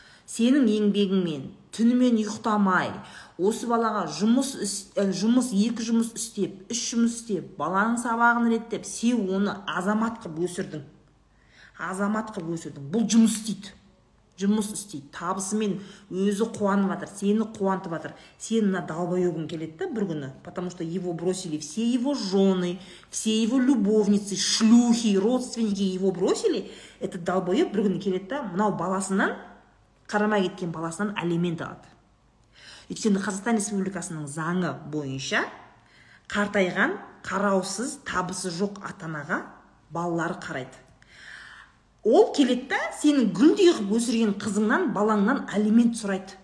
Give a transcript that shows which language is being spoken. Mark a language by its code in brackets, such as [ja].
[kk] сенің еңбегіңмен түнімен ұйықтамай осы балаға жұмыс жұмыс екі жұмыс істеп үш жұмыс істеп баланың сабағын реттеп сен оны азамат қып өсірдің. Азамат қып өсірдің. Бұл жұмыс істейді. Жұмыс істейді. Табысымен өзі қуанып жатыр, сені қуантып жатыр. Сен мына долбоебің келеді де бір күні, [ru] потому что его бросили все его жены, все его любовницы, шлюхи, родственники его бросили. Этот долбоеб [kk] бір күні келеді де, мынау баласынан қарамай кеткен баласынан алимент алады. Өйткені Қазақстан Республикасының заңы бойынша қартайған, қараусыз, табысы жоқ ата-анаға балалары қарайды. Ол келеді де, сенің гүлдей қып өсірген қызыңнан, балаңнан алимент сұрайды.